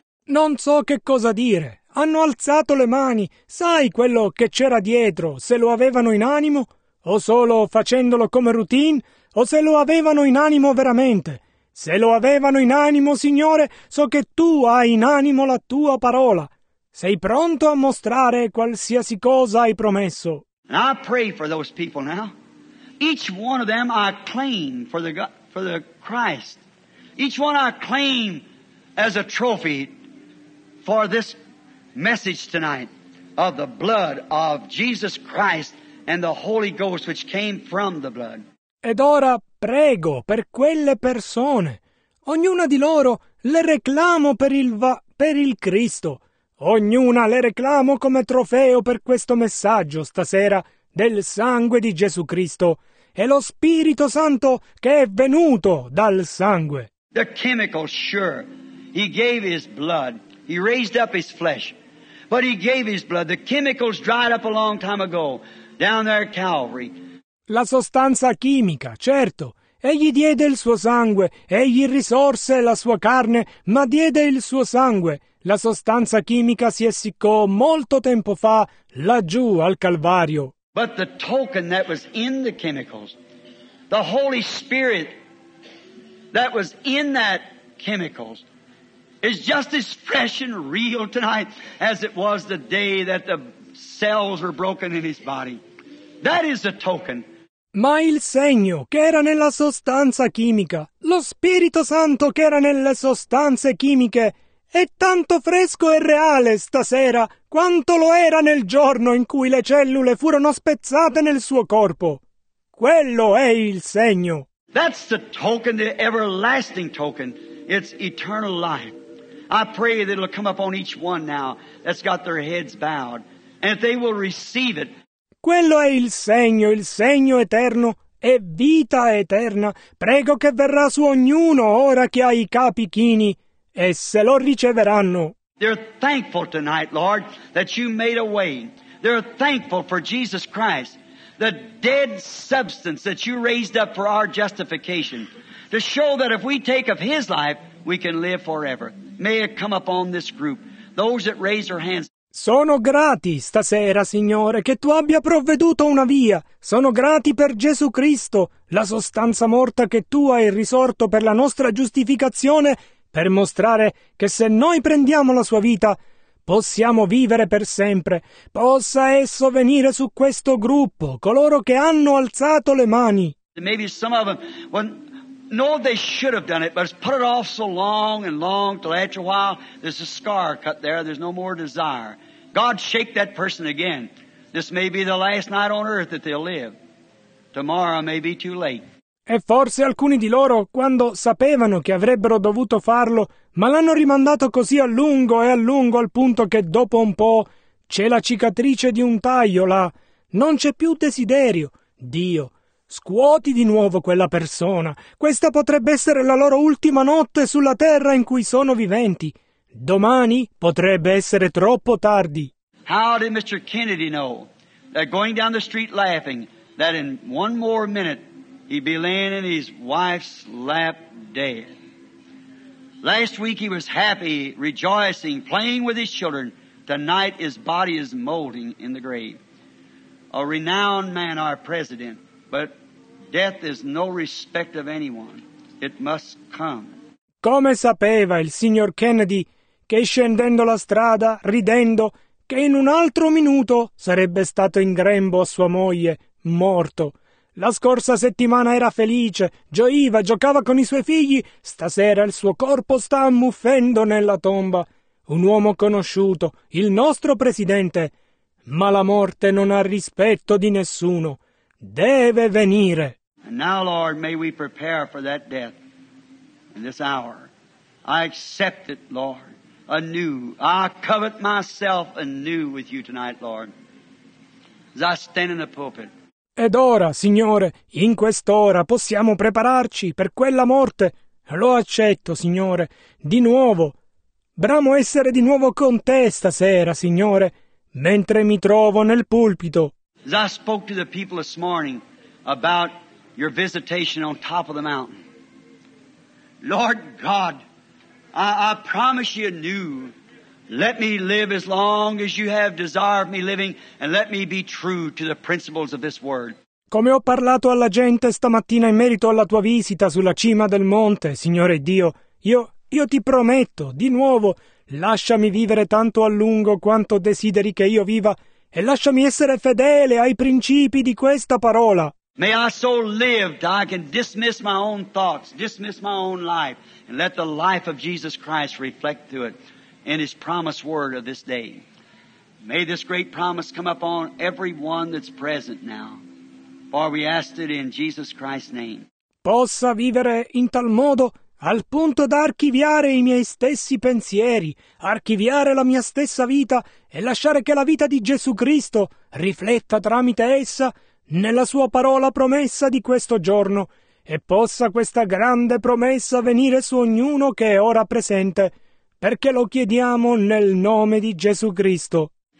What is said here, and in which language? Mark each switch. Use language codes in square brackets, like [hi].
[it] Non so che cosa dire. Hanno alzato le mani. Sai quello che c'era dietro, se lo avevano in animo, o solo facendolo come routine, o se lo avevano in animo veramente. Se lo avevano in animo, Signore, so che Tu hai in animo la Tua parola. Sei pronto a mostrare qualsiasi cosa hai promesso. [en] And I pray for those people now. Each one of them I claim for the Christ. Each one I claim as a trophy for this message tonight of the blood of Jesus Christ and the Holy Ghost which came from the blood. [it] Ed ora prego per quelle persone. Ognuna di loro le reclamo per il Cristo. Ognuna le reclamo come trofeo per questo messaggio stasera del sangue di Gesù Cristo e lo Spirito Santo che è venuto dal sangue. [en] The chemical, sure. He gave his blood. He raised up his flesh. But he gave his blood. The chemicals dried up a long time ago down there at Calvary. [it] La sostanza chimica, certo. Egli diede il suo sangue, egli risorse la sua carne, ma diede il suo sangue. La sostanza chimica si essiccò molto tempo fa, laggiù al Calvario. [en] But the token that was in the chemicals, the Holy Spirit that was in that chemicals, is just as fresh and real tonight as it was the day that the cells were broken in his body. That is the token. [it] Ma il segno che era nella sostanza chimica, lo Spirito Santo che era nelle sostanze chimiche, è tanto fresco e reale stasera quanto lo era nel giorno in cui le cellule furono spezzate nel suo corpo. Quello è il segno. [en] That's the token, the everlasting token. It's eternal life. I pray that it'll come upon each one now that's got their heads bowed, and that they will receive it. [it] Quello è il segno eterno e vita eterna. Prego che verrà su ognuno ora che ha i capi chini e se lo riceveranno. [en] They're thankful tonight, Lord, that you made a way. They're thankful for Jesus Christ, the dead substance that you raised up for our justification, to show that if we take of his life, we can live forever. May it come upon this group, those that raise their hands. [it] Sono grati stasera, Signore, che Tu abbia provveduto una via. Sono grati per Gesù Cristo, la sostanza morta che Tu hai risorto per la nostra giustificazione, per mostrare che se noi prendiamo la sua vita, possiamo vivere per sempre. Possa esso venire su questo gruppo, coloro che hanno alzato le mani. [en] Maybe some of them, when, no, they should have done it, but it's put it off so long and long till after a while, there's a scar cut there, there's no more desire. God shake that person again. This may be the last night on earth that they'll live. Tomorrow may be too late. [it] E forse alcuni di loro, quando sapevano che avrebbero dovuto farlo, ma l'hanno rimandato così a lungo al punto che dopo un po' c'è la cicatrice di un taglio là. Non c'è più desiderio. Dio, scuoti di nuovo quella persona. Questa potrebbe essere la loro ultima notte sulla terra in cui sono viventi. Domani potrebbe essere troppo tardi. [en] How did Mr. Kennedy know that going down the street laughing that in one more minute he'd be laying in his wife's lap dead? Last week he was happy, rejoicing, playing with his children, Tonight his body is molding in the grave. A renowned man, our president, but death is no respect of anyone. It must come. [it] Come sapeva il signor Kennedy che scendendo la strada, ridendo, che in un altro minuto sarebbe stato in grembo a sua moglie, morto. La scorsa settimana era felice, gioiva, giocava con i suoi figli, stasera il suo corpo sta ammuffendo nella tomba. Un uomo conosciuto, il nostro presidente. Ma la morte non ha rispetto di nessuno. Deve venire. [en] And now, Lord, may we prepare for that death in this hour. I accept it, Lord, anew. I covet myself anew with you tonight, Lord, as I stand in the pulpit. [it] Ed ora, Signore, in quest'ora possiamo prepararci per quella morte. Lo accetto, Signore, di nuovo. Bramo essere di nuovo con te stasera, Signore, mentre mi trovo nel pulpito. [en] As I spoke to the people this morning about your visitation on top of the mountain, Lord God, I promise you anew, let me live as long as you have desired me living, and let me be true to the principles of this word. [it] Come ho parlato alla gente stamattina in merito alla tua visita sulla cima del monte, Signore Dio, io ti prometto, di nuovo, lasciami vivere tanto a lungo quanto desideri che io viva, e lasciami essere fedele ai principi di questa parola. [en] May I so live that I can dismiss my own thoughts, dismiss my own life, and let the life of Jesus Christ reflect through it in His promised word of this day. May this great promise come upon everyone that's present now, for we ask it in Jesus Christ's name. [it] Possa vivere in tal modo al punto da archiviare i miei stessi pensieri, archiviare la mia stessa vita e lasciare che la vita di Gesù Cristo rifletta tramite essa nella sua parola promessa di questo giorno, e possa questa grande promessa venire su ognuno che è ora presente, perché lo chiediamo nel nome di Gesù Cristo.